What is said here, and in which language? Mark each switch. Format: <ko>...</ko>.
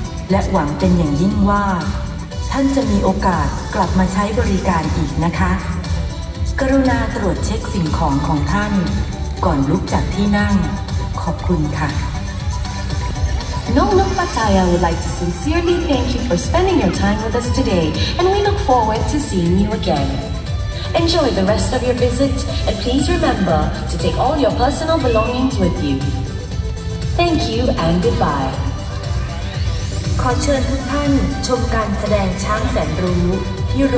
<th>และหวังเป็นอย่างยิ่งว่าท่านจะมีโอกาสกลับมาใช้บริการอีกนะคะกรุณาตรวจเช็คสิ่งของของท่านก่อนลุกจากที่นั่งขอบคุณค่ะ</th> <en>Nong Nok Pattaya would like to sincerely thank you for spending your time with us today, and we look forward to seeing you again. Enjoy the rest of your visit, and please remember to take all your personal belongings with you. Thank you and goodbye.</en> <th>ขอเชิญทุกท่านชมการแสดงช้างแสนรู้ที่โรง</th>